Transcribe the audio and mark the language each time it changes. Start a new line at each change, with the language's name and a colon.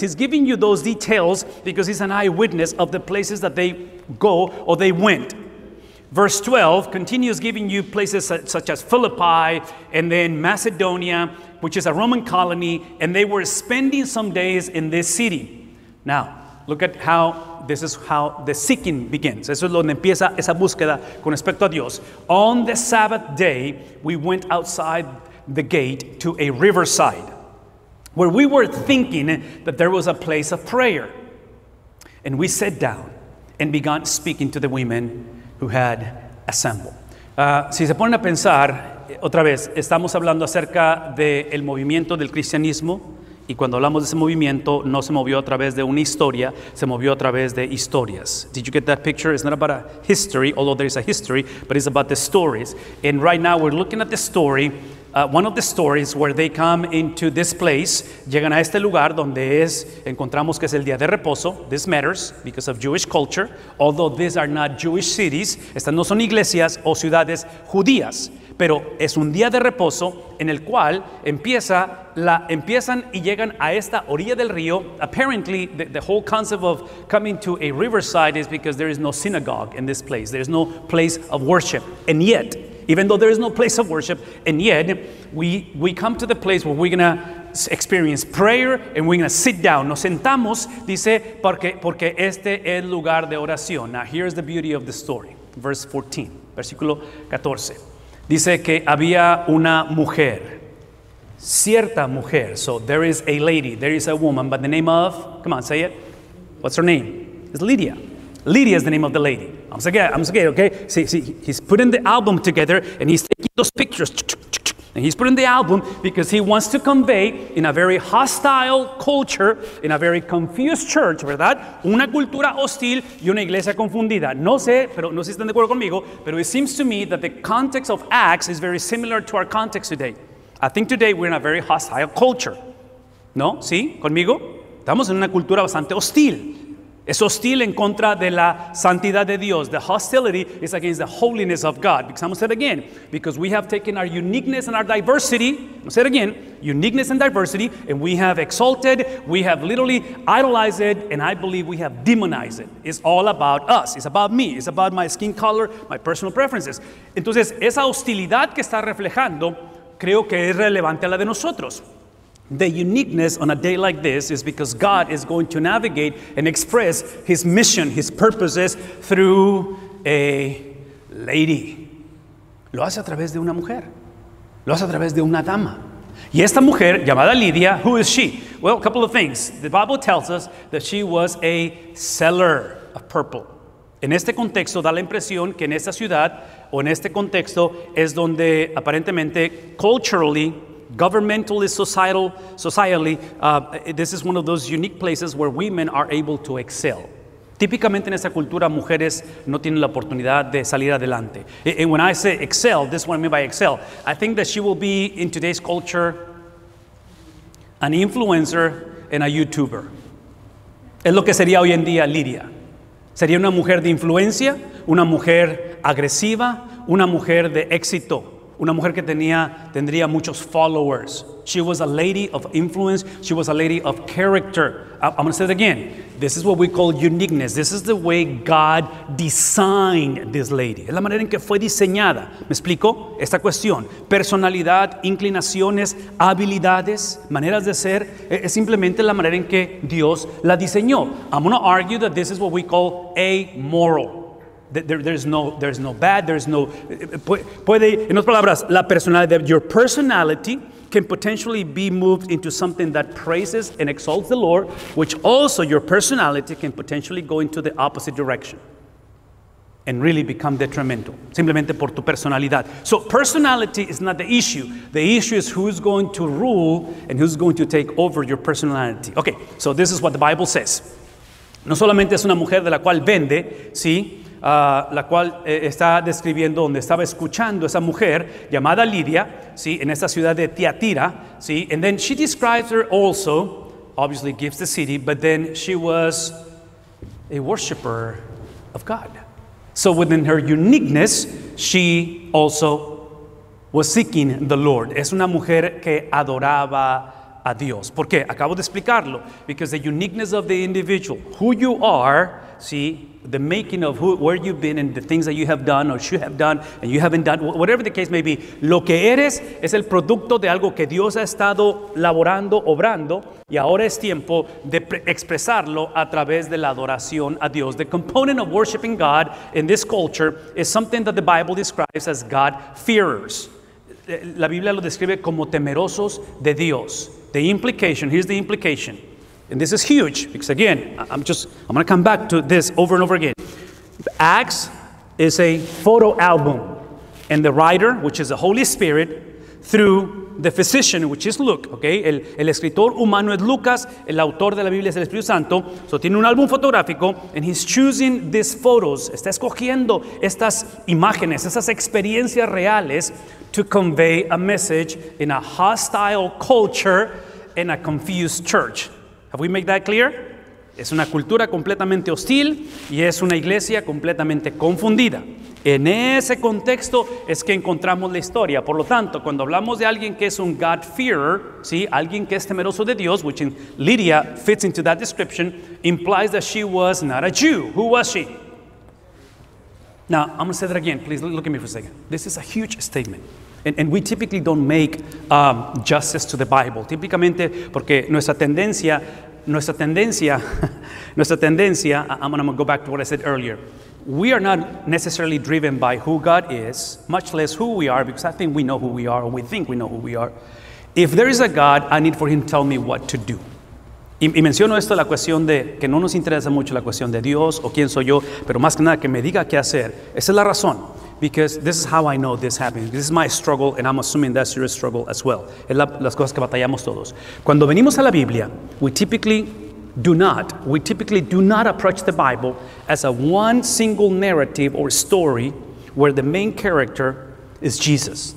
English: He's giving you those details because he's an eyewitness of the places that they go or they went. Verse 12 continues giving you places such as Philippi and then Macedonia, which is a Roman colony, and they were spending some days in this city. Now, look at how this is how the seeking begins.
Spanish: Eso es donde empieza esa búsqueda con respecto a Dios.
English: On the Sabbath day, we went outside the gate to a riverside where we were thinking that there was a place of prayer. And we sat down and began speaking to the women who had assembled.
Spanish: Si se ponen a pensar, otra vez, estamos hablando acerca del movimiento del cristianismo. Y cuando hablamos de ese movimiento, no se movió a través de una historia, se movió a través de historias.
English: Did you get that picture? It's not about a history, although there is a history, but it's about the stories. And right now we're looking at the story, one of the stories where they come into this place,
Spanish: llegan a este lugar donde es, encontramos que es el día de reposo.
English: This matters because of Jewish culture, although these are not Jewish cities,
Spanish: estas no son iglesias o ciudades judías. Pero es un día de reposo en el cual empiezan y llegan a esta orilla del río.
English: Apparently, the whole concept of coming to a riverside is because there is no synagogue in this place. There is no place of worship. And yet, even though there is no place of worship, and yet, we come to the place where we're going to experience prayer and we're going to sit down.
Spanish: Nos sentamos, dice, porque este es lugar de oración.
English: Now, here's the beauty of the story. Verse 14,
Spanish: versículo 14. Dice que había una mujer, cierta mujer.
English: So there is a lady, there is a woman, by the name of, come on, say it. What's her name? It's Lydia. Lydia is the name of the lady. I'm okay. See, he's putting the album together and he's taking those pictures. And he's putting the album because he wants to convey in a very hostile culture, in a very confused church,
Spanish: ¿verdad? Una cultura hostil y una iglesia confundida. No sé, pero no sé si están de acuerdo conmigo, pero
English: it seems to me that the context of Acts is very similar to our context today. I think today we're in a very hostile culture.
Spanish: ¿No? ¿Sí? ¿Conmigo? Estamos en una cultura bastante hostil. Es hostil en contra de la santidad de Dios.
English: The hostility is against the holiness of God. Because I'm going to say it again. Because we have taken our uniqueness and our diversity. I'm going to say it again. Uniqueness and diversity. And we have exalted. We have literally idolized it. And I believe we have demonized it. It's all about us. It's about me. It's about my skin color, my personal preferences.
Spanish: Entonces, esa hostilidad que está reflejando, creo que es relevante a la de nosotros.
English: The uniqueness on a day like this is because God is going to navigate and express his mission, his purposes through a lady.
Spanish: Lo hace a través de una mujer. Lo hace a través de una dama. Y esta mujer llamada Lydia,
English: who is she? Well, a couple of things. The Bible tells us that she was a seller of purple.
Spanish: En este contexto da la impresión que en esta ciudad o en este contexto es donde aparentemente
English: culturally, governmentally, societally, this is one of those unique places where women are able to excel.
Spanish: Típicamente en esa cultura, mujeres no tienen la oportunidad de salir adelante.
English: And when I say excel, this is what I mean by excel. I think that she will be, in today's culture, an influencer and a YouTuber.
Spanish: Es lo que sería hoy en día Lydia. Sería una mujer de influencia, una mujer agresiva, una mujer de éxito. Una mujer que tendría muchos followers.
English: She was a lady of influence. She was a lady of character. I'm going to say it again. This is what we call uniqueness. This is the way God designed this lady.
Spanish: Es la manera en que fue diseñada. ¿Me explico? Esta cuestión. Personalidad, inclinaciones, habilidades, maneras de ser. Es simplemente la manera en que Dios la diseñó.
English: I'm going to argue that this is what we call amoral. There's no bad, there's no...
Spanish: Puede, en otras palabras, la personalidad,
English: your personality can potentially be moved into something that praises and exalts the Lord, which also your personality can potentially go into the opposite direction and really become detrimental,
Spanish: simplemente por tu personalidad.
English: So personality is not the issue. The issue is who's going to rule and who's going to take over your personality. Okay, so this is what the Bible says.
Spanish: No solamente es una mujer de la cual vende, ¿sí? La cual está describiendo donde estaba escuchando esa mujer llamada Lydia, ¿sí? En esta ciudad de Tiatira, ¿sí?
English: And then she describes her also, obviously gives the city, but then she was a worshiper of God. So within her uniqueness, she also was seeking the Lord.
Spanish: Es una mujer que adoraba a Dios. ¿Por qué? Acabo de explicarlo.
English: Because the uniqueness of the individual, who you are,
Spanish: ¿sí?
English: The making of who, where you've been and the things that you have done or should have done and you haven't done, whatever the case may be.
Spanish: Lo que eres es el producto de algo que Dios ha estado laborando, obrando, y ahora es tiempo de expresarlo a través de la adoración a Dios.
English: The component of worshiping God in this culture is something that the Bible describes as God-fearers.
Spanish: La Biblia lo describe como temerosos de Dios.
English: The implication, here's the implication. And this is huge, because again, I'm going to come back to this over and over again. Acts is a photo album, and the writer, which is the Holy Spirit, through the physician, which is Luke, okay?
Spanish: El escritor humano es Lucas, el autor de la Biblia es el Espíritu Santo, so tiene un álbum fotográfico,
English: and he's choosing these photos,
Spanish: está escogiendo estas imágenes, esas experiencias reales,
English: to convey a message in a hostile culture in a confused church. Have we made that clear?
Spanish: Es una cultura completamente hostil y es una iglesia completamente confundida. En ese contexto es que encontramos la historia. Por lo tanto, cuando hablamos de alguien que es un God-fearer, ¿sí? Alguien que es temeroso de Dios,
English: which in Lydia fits into that description, implies that she was not a Jew. Who was she? Now, I'm going to say that again. Please look at me for a second. This is a huge statement. And we typically don't make justice to the Bible.
Spanish: Típicamente, porque nuestra tendencia,
English: I'm going to go back to what I said earlier. We are not necessarily driven by who God is, much less who we are, because I think we know who we are, or we think we know who we are. If there is a God, I need for him to tell me what to do.
Spanish: Y menciono esto, la cuestión de que no nos interesa mucho la cuestión de Dios o quién soy yo, pero más que nada que me diga qué hacer. Esa es la razón.
English: Because this is how I know this happened. This is my struggle, and I'm assuming that's your struggle as well.
Spanish: Es las cosas que batallamos todos. Cuando venimos a la Biblia,
English: we typically do not approach the Bible as a one single narrative or story where the main character is Jesus.